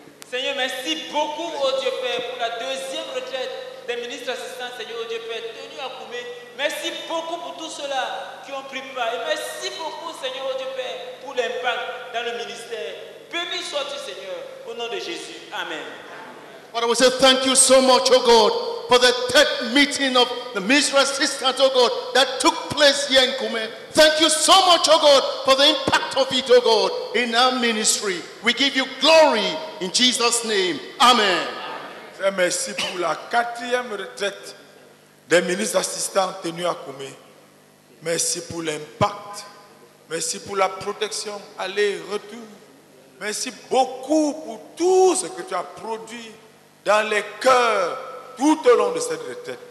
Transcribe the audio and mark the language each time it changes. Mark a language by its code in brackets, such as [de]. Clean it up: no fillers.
[fr] Seigneur, merci beaucoup, ô Dieu Père, pour la deuxième retraite des ministres assistants, Seigneur, ô Dieu Père, tenue à Koumé. Merci beaucoup pour tous ceux-là qui ont pris part. Et merci beaucoup, Seigneur, ô Dieu Père, pour l'impact dans le ministère. Béni sois-tu, Seigneur, au nom de Jésus. Amen. [en] Father, we say thank you so much, oh God, for the third meeting of the ministry assistants, oh God, that took place here in Koumé. Thank you so much, oh God, for the impact of it, oh God, in our ministry. We give you glory in Jesus' name. Amen. [fr] Très merci pour la quatrième retraite des ministres assistants tenus à Koumé. Merci pour l'impact. Merci pour la protection, aller-retour. Merci beaucoup pour tout ce que tu as produit dans les cœurs, tout au long de cette retraite.